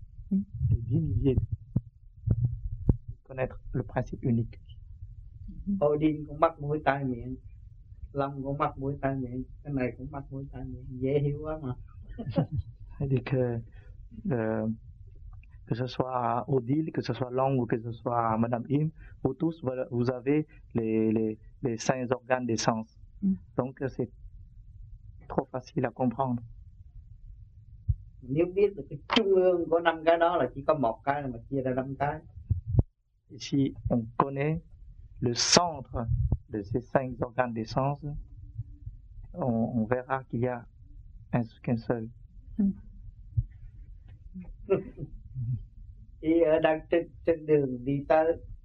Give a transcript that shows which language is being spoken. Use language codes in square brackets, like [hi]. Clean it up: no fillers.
[fr] Des milliers de connaître le principe unique. [vi] Odin cũng mắc mũi tai miệng, Lâm cũng mắc mũi tai miệng, cái này cũng mắc mũi tai miệng, dễ hiểu quá mà. [fr] C'est-à-dire que que ce soit Odile, que ce soit Long ou que ce soit Madame Im, vous tous, vous avez les cinq organes des sens. Donc c'est trop facile à comprendre. [vi] Nếu biết được cái trung ương có 5 cái đó là chỉ có 1 cái mà chia ra 5 cái. [fr] Si on connaît le centre de ces 5 organes de sens, on verra qu'il y a un seul. Et dans cette ligne vitale,